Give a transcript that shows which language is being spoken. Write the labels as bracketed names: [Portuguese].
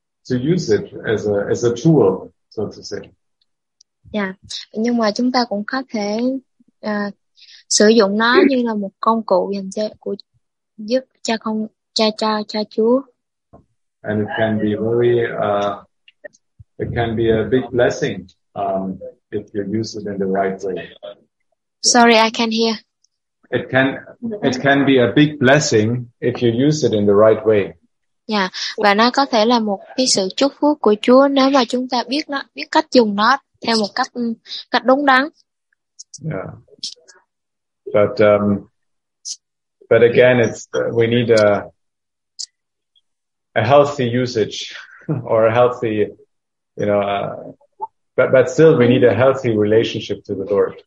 [English] to use it as a tool, so to say. [Vietnamese] Yeah, nhưng mà chúng ta cũng có thể sử dụng nó như là một công cụ dành cho của giúp cho không cha cha cha Chúa. [English] And it can be very it can be a big blessing if you use it in the right way. Sorry, I can't hear. It can be a big blessing if you use it in the right way. [Vietnamese] Yeah, và nó có thể là một cái sự chúc phước của Chúa nếu mà chúng ta biết nó, biết cách dùng nó theo một cách đúng đắn. [English] Yeah. But again, it's we need a healthy usage or a healthy, you know, but still we need a healthy relationship to the Lord.